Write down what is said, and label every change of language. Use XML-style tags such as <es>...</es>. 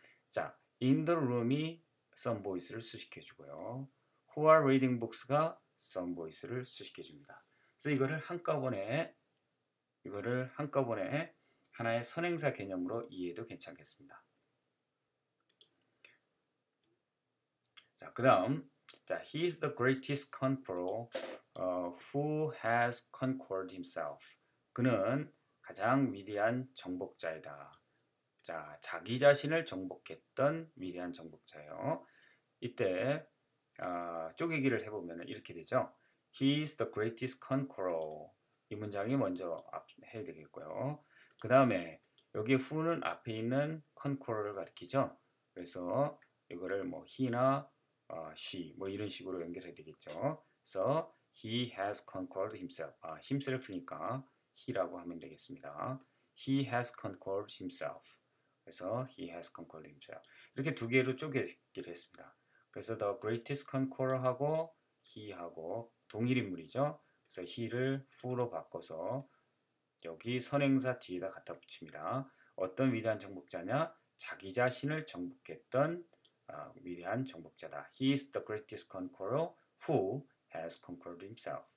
<ko>자, in the room이 some boys를 수식해주고요.</ko> <en>Who are reading books가 some boys를</en> <ko>수식해줍니다. 그래서 이거를 한꺼번에 하나의 선행사 개념으로 이해해도 괜찮겠습니다. 자, 그 다음.</ko> <en>자, he is the greatest conqueror who has conquered himself.</en> <ko>그는 가장 위대한 정복자이다. 자, 자기 자신을 정복했던 위대한 정복자예요. 이때 쪼개기를 해보면 이렇게 되죠.</ko> <en>He is the greatest conqueror.</en> <ko>이 문장이 먼저 해야 되겠고요. 그 다음에 여기 who는 앞에 있는 conqueror를 가리키죠. 그래서 이거를 뭐 he나 she 뭐 이런 식으로 연결해야 되겠죠.</ko> <en>그래서 he has conquered himself. himself니까 he라고</en> <ko>하면 되겠습니다.</ko> <en>He has conquered himself. 그래서 he has conquered himself.</en> <ko>이렇게 두 개로 쪼개기를 했습니다. 그래서 the greatest conqueror하고 he하고 동일인물이죠. 그래서 he를 who로 바꿔서 여기 선행사 뒤에다 갖다 붙입니다. 어떤 위대한 정복자냐? 자기 자신을 정복했던 위대한 정복자다.</ko> <en>He is the greatest conqueror who has conquered himself.</en>